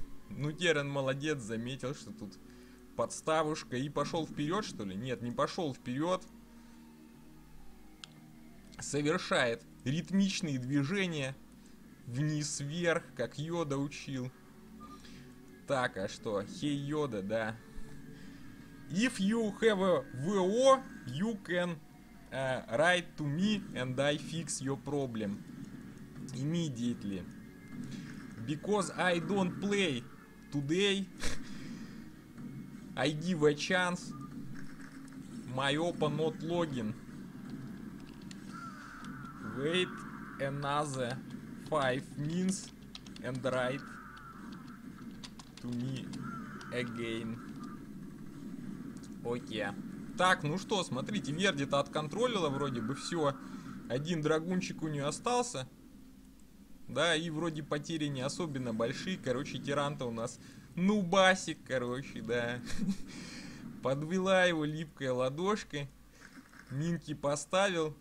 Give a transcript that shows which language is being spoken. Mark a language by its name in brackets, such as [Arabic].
[Russian] Ну, Терран молодец, заметил, что тут подставушка. И пошел вперед, что ли? Нет, не пошел вперед. Совершает ритмичные движения вниз-вверх, как Йода учил. Так, а что? Хей, Йода, да. [English] If you have a VO, you can write to me and I fix your problem. Immediately. Because I don't play today, I give a chance. My OPA not login. Wait another 5 minutes and write to me again. [Russian] Окей. Так, ну что, смотрите, Верди-то отконтролила вроде бы все. Один драгунчик у нее остался. Да, и вроде потери не особенно большие. Короче, Терран-то у нас нубасик, короче, да. Подвела его липкой ладошкой. Минки поставил.